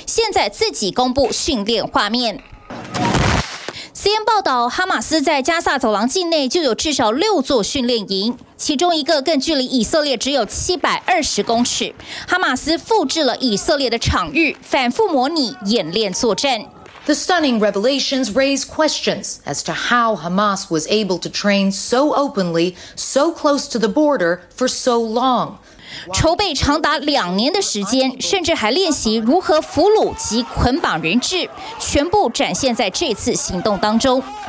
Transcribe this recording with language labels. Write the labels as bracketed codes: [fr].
[zh] 现在自己公布训练画面。CNN 报道，哈马斯在加萨走廊境内就有至少六座训练营，其中一个更距离以色列只有720公尺。哈马斯复制了以色列的场域，反复模拟演练作战。 [en] The stunning revelations raise questions as to how Hamas was able to train so openly, so close to the border for so long. [zh] 筹备长达两年的时间，甚至还练习如何俘虏及捆绑人质，全部展现在这次行动当中。